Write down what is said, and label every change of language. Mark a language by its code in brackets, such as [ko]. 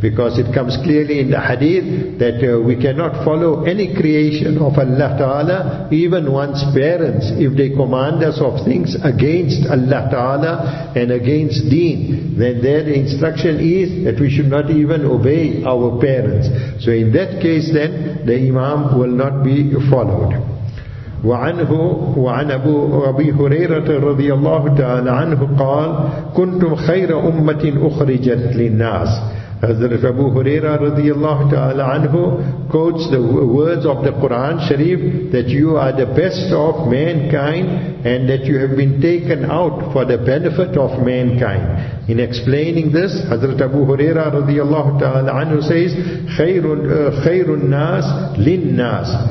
[en] Because it comes clearly in the hadith that we cannot follow any creation of Allah Ta'ala, even one's parents, if they command us of things against Allah Ta'ala and against deen. Then their instruction is that we should not even obey our parents. So in that case then, the imam will not be followed. [ar] وعنه وعن أبي هريرة رضي الله تعالى عنه قال كنتم خير أمة أخرجت للناس. [en] Hazrat Abu Huraira radiyallahu ta'ala anhu quotes the words of the Quran Sharif that you are the best of mankind and that you have been taken out for the benefit of mankind. In explaining this, Hazrat Abu Huraira radiyallahu ta'ala anhu says, [ar] khairun nas lin nas.